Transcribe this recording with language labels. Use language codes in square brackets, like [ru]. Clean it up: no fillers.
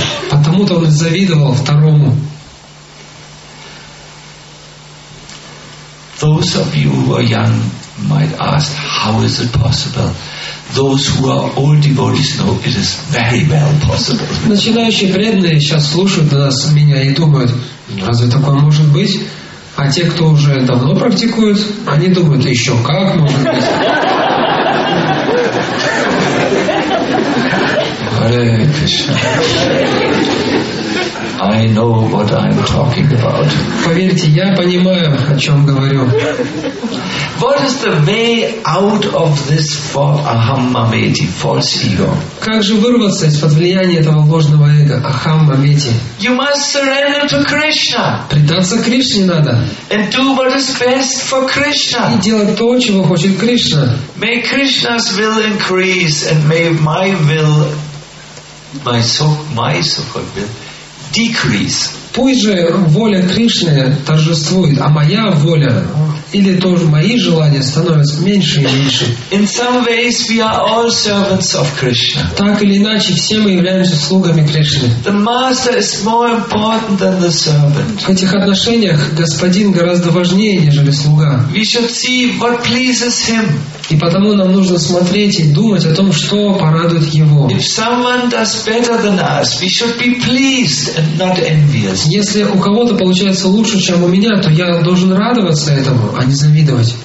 [ru] Потому-то он завидовал второму. [en] Those of you who are young might ask, how is it possible? Those who are old devotees know it is very well possible. [ru] Начинающие преданные сейчас слушают нас, меня и думают, разве такое может быть? А те, кто уже давно практикуют, они думают, еще как может быть. [en] Hare Krishna. I know what I'm talking about. [ru] Поверьте, я понимаю, о чем говорю. [en] What is the way out of this ahammameti, false ego? [ru] Как же вырваться из-под влияния этого ложного эго, ахаммамети? [en] You must surrender to Krishna. [ru] Предаться Кришне надо. [en] And do what is best for Krishna. [ru] И делать то, чего хочет Кришна. [en] May Krishna's will increase and may my will, my sukha will decrease. [ru] Пусть же воля Кришны торжествует, а моя воля или тоже мои желания становятся меньше и меньше. [en] In some ways we are all servants of Krishna. [ru] Так или иначе, все мы являемся слугами Кришны. [en] The master is more important than the servant. [ru] В этих отношениях господин гораздо важнее, нежели слуга. [en] We should see what pleases him. [ru] И потому нам нужно смотреть и думать о том, что порадует его. [en] If someone does better than us, we should be pleased and not envious. [ru] Если у кого-то получается лучше, чем у меня, то я должен радоваться этому, а не завидовать.